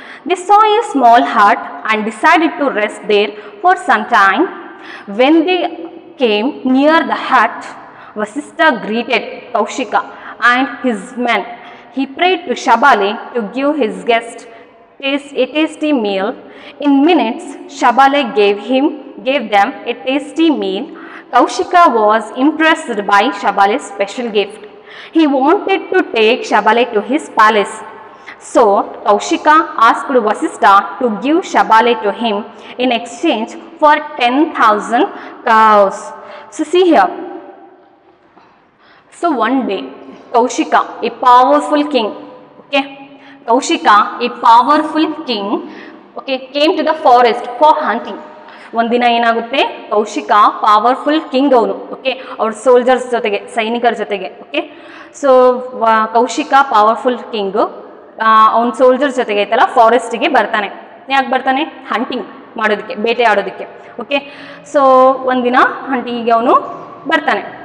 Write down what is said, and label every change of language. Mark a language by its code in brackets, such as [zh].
[en] They saw a small hut and decided to rest there for some time. When they came near the hut, Vasishtha greeted Kaushika and his men. He prayed to Shabale to give his guest a tasty meal. In minutes, Shabale gave them a tasty meal. Kaushika was impressed by Shabale's special gift. He wanted to take Shabale to his palace. So, Kaushika asked Vasishtha to give Shabale to him in exchange for 10,000 cows. So, see here. So, one day, Kaushika, a powerful king, okay? Kaushika, a powerful king, okay, came to the forest for hunting. [kn] ಒಂದು ದಿನ ಏನಾಗುತ್ತೆ, Kaushika powerful king ಅವನು. Okay, ಅವ್ರ soldiers ಜೊತೆಗೆ, ಸೈನಿಕರ ಜೊತೆಗೆ. Okay, so Kaushika powerful king, ಅವ್ನ soldiers ಜೊತೆಗೆ ಆಯ್ತಲ್ಲ ಫಾರೆಸ್ಟ್ಗೆ ಬರ್ತಾನೆ. ಯಾಕೆ ಬರ್ತಾನೆ? ಹಂಟಿಂಗ್ ಮಾಡೋದಕ್ಕೆ, ಬೇಟೆ ಆಡೋದಕ್ಕೆ. ಓಕೆ, ಸೊ ಒಂದಿನ ಹಂಟಿಂಗಿಗೆ ಅವನು ಬರ್ತಾನೆ.